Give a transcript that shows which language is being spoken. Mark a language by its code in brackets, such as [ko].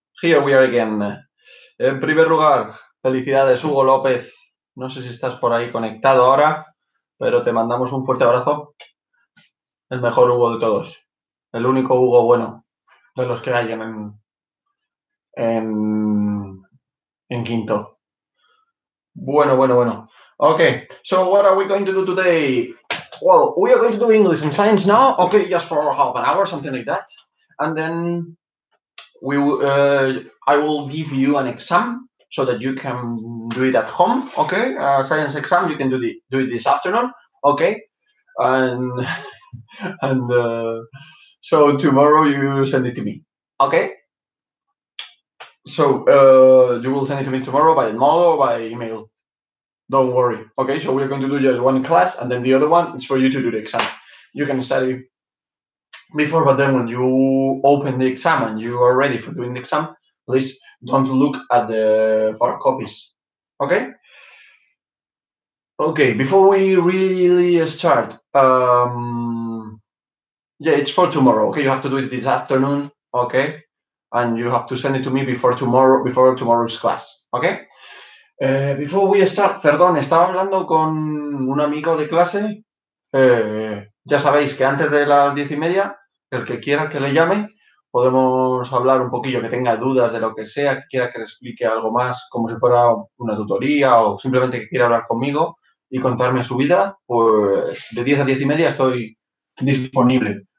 [en] Here we are again. [es] En primer lugar, felicidades Hugo López. No sé si estás por ahí conectado ahora, pero te mandamos un fuerte abrazo. El mejor Hugo de todos. El único Hugo bueno de los que hay en quinto. Bueno. [en] Okay, so what are we going to do today? Well, we are going to do English and Science now. Okay, just for half an hour, something like that. And then I will give you an exam so that you can do it at home. Okay, science exam, you can do it this afternoon. Okay, so tomorrow you send it to me. Okay. So, you will send it to me tomorrow by mail or by email. Don't worry. Okay, so we're going to do just one class, and then the other one is for you to do the exam. You can study before, but then when you open the exam and you are ready for doing the exam, please don't look at the hard copies. Okay? Okay, before we really start, it's for tomorrow. Okay, you have to do it this afternoon. Okay? And you have to send it to me before tomorrow's class, okay? Before we start, [es] perdón, estaba hablando con un amigo de clase. Ya sabéis que antes de las 10:30, el que quiera que le llame, podemos hablar un poquillo, que tenga dudas de lo que sea, que quiera que le explique algo más, como si fuera una tutoría o simplemente que quiera hablar conmigo y contarme su vida, pues de 10 a 10:30 estoy disponible.